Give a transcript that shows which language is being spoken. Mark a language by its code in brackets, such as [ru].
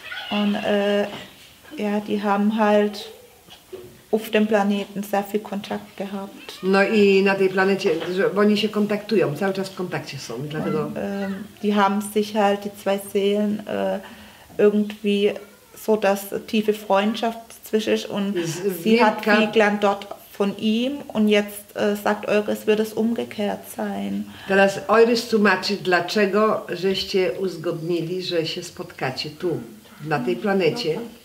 [de] Und ja, die haben halt auf dem Planeten sehr viel Kontakt gehabt. [pl] No i na tej planecie, bo oni się kontaktują, cały czas w kontakcie są, dlatego... [de] Die haben sich halt, die zwei Seelen, irgendwie so, dass tiefe Freundschaft zwischen ist und sie hat gelernt dort von ihm und jetzt sagt eures, wird es umgekehrt sein. [pl] Teraz eures tłumaczy, dlaczego żeście uzgodnili, że się spotkacie tu, na tej planecie.